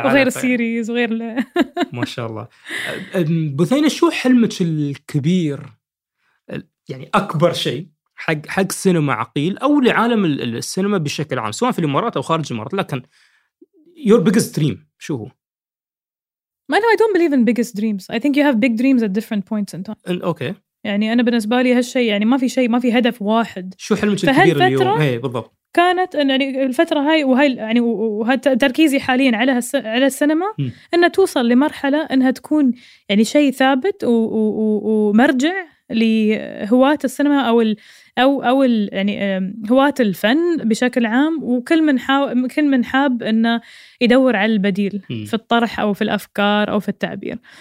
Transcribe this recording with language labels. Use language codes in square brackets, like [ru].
[ar] وغير السيريز وغير ما شاء الله. بثينة شو حلمك الكبير يعني أكبر شيء حق سينما عقيل أو لعالم السينما بشكل عام سواء في الإمارات أو خارج الإمارات، لكن [en] your biggest dream [ar] شو هو؟ [en] I don't believe in biggest dreams. I think you have big dreams at different points in time. Okay. [ar] يعني أنا بالنسبة لي هالشيء يعني ما في شيء ما في هدف واحد. شو حلمك الكبير اليوم؟ هي بالضبط. كانت إن يعني الفترة هاي وهاي يعني وهالتركيزي حاليا على السينما إن توصل لمرحلة إنها تكون يعني شيء ثابت ومرجع لهواة السينما أو يعني هواة الفن بشكل عام، وكل من حاب إنه يدور على البديل في الطرح أو في الأفكار أو في التعبير.